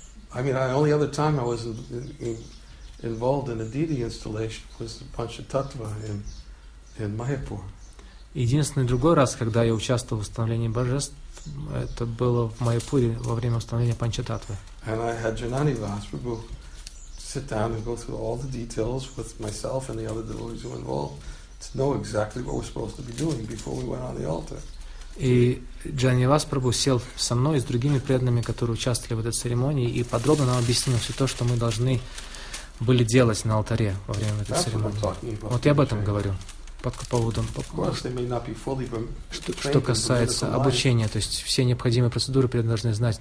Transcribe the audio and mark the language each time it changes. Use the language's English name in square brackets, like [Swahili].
[English] I mean, the only other time I was involved in a deity installation was the Panchatattva in Mayapur. [Russian] Единственный другой раз, когда я участвовал в установлении божеств, это было в Майяпуре во время установления Панчататвы. [English] And I had Janani Vasprabhu sit down and go through all the details with myself and the other devotees who were involved to know exactly what we're supposed to be doing before we went on the altar. [Russian] И Джани Васпрабху сел со мной и с другими преданными, которые участвовали в этой церемонии, и подробно нам объяснил все то, что мы должны были делать на алтаре во время этой церемонии. Вот я об этом говорю. Что касается обучения, то есть все необходимые процедуры преданные должны знать.